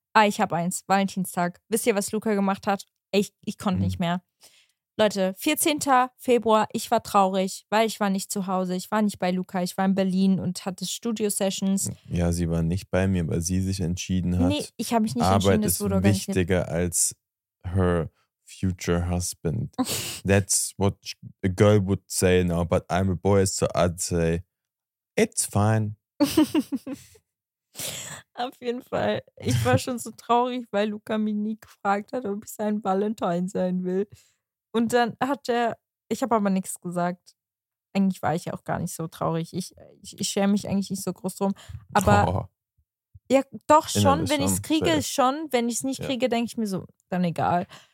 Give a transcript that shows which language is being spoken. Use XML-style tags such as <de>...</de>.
<de>Ah, ich habe eins, Valentinstag. Wisst ihr, was Luca gemacht hat? Ich konnte nicht mehr. Leute, 14. Februar, ich war traurig, weil ich war nicht zu Hause. Ich war nicht bei Luca, ich war in Berlin und hatte Studio-Sessions. Ja, sie war nicht bei mir, weil sie sich entschieden hat. Nee, ich habe mich nicht Arbeit entschieden, das wurde ist wichtiger gar nicht. Als</de> <en>her future husband. That's what a girl would say now, but I'm a boy, so I'd say, it's fine.</en> <de>Auf jeden Fall. Ich war schon so traurig, weil Luca mich nie gefragt hat, ob ich sein Valentine sein will. Und dann hat er, ich habe aber nichts gesagt. Eigentlich war ich ja auch gar nicht so traurig. Ich schäme mich eigentlich nicht so groß drum. Aber wenn ich es nicht kriege, denke ich mir so, dann egal.</de>